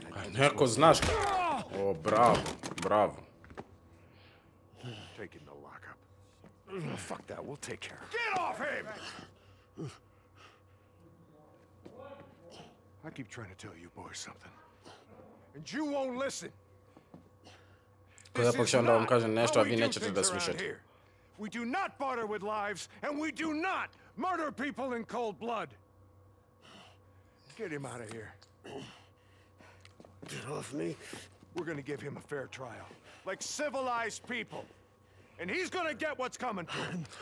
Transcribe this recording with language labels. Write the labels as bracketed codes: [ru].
[sr] Neko znaš. O, bravo, bravo. [en] Taking the lock up. Oh, fuck that, we'll take care. Get off him! I keep trying to tell you boys something. And you won't listen. [sr] Kada pokušam da vam kažem nešto, a vi nećete da slušate. [en] We do not barter with lives, and we do not murder people in cold blood. Get him out of here. Get off me. We're gonna give him a fair trial. Like civilized people. And he's gonna get what's coming to him.